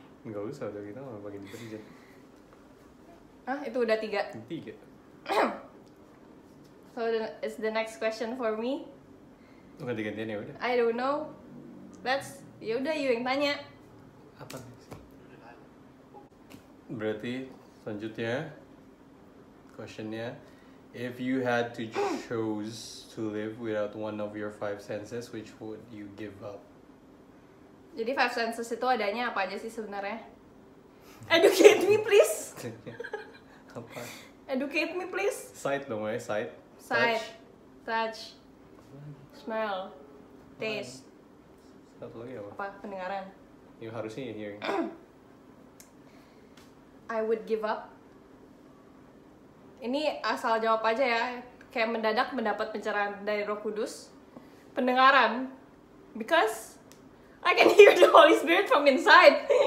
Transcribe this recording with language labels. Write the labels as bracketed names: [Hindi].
[Indonesian] Gak usah, udah kita gak mau pake diterjem. Ah, itu udah 3. Tiga. [English] So, it's the next question for me. [Indonesian] Lu ganti-gantian yaudah. [English] I don't know. [Indonesian] Let's, yaudah, you yang tanya. Apa nih? Berarti, selanjutnya questionnya, [English] if you had to choose to live without one of your 5 senses, which would you give up? [Indonesian] Jadi 5 senses itu adanya apa aja sih sebenarnya? [English] Educate me please. [Indonesian] Apa? [English] Educate me please. Sight dong, ya, sight. Sight. Touch. Smell. Taste. [Indonesian] Satu lagi apa? Apa? Pendengaran. Ya harusnya hearing. [English] I would give up. [Indonesian] Ini asal jawab aja ya. Kayak mendadak mendapat pencerahan dari Roh Kudus. Pendengaran. [English] Because I can hear the Holy Spirit from inside.